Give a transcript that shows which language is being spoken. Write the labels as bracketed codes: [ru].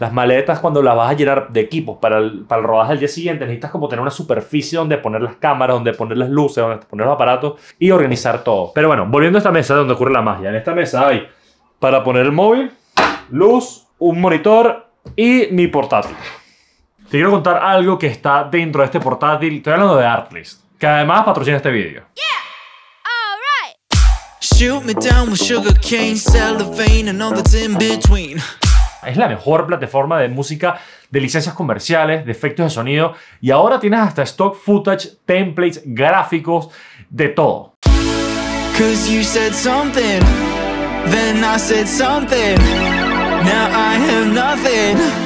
[es] Las maletas, cuando las vas a llenar de equipos para el rodaje del día siguiente, necesitas como tener una superficie donde poner las cámaras, donde poner las luces, donde poner los aparatos y organizar todo. Pero bueno, volviendo a esta mesa, donde ocurre la magia. En esta mesa hay para poner el móvil, luz, un monitor y mi portátil. Te quiero contar algo que está dentro de este portátil. Estoy hablando de Artlist, que además patrocina este video. [en] Yeah. Shoot me down with sugar cane, cellophane and all that's in between. [es] Es la mejor plataforma de música de licencias comerciales, de efectos de sonido, y ahora tienes hasta stock footage, templates, gráficos, de todo. [en] Cause you said something, then I said something, now I have nothing.